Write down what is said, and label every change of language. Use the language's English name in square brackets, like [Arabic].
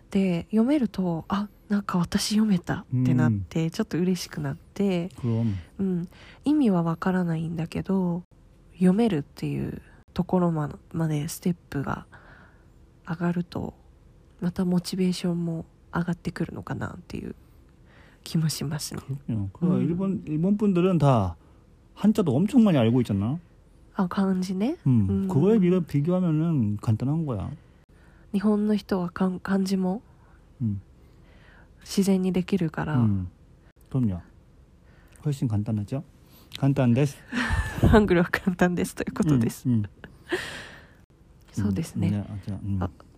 [Japanese] で読めると、あ、なんか私読めたってなって、うん、ちょっと嬉しくなって、うん、意味は分からないんだけど読めるっていうところまでステップが上がると、またモチベーションも上がってくるのかなっていう気もしますね。 [Korean] 그럼 일본 분들은 다 한자도 엄청 많이 알고 있잖아. [Japanese] 아, 漢字ね。 [Korean] 응. 그거에 비교하면 간단한 거야. [Japanese] 日本の人は漢字も 自然にできるから。 [Korean] 그럼요。 훨씬 간단하죠。 간단 [Japanese] です。ハングルは簡単ですということです、うんうん、そうですね、うん、あ、じゃあ、うん、あ、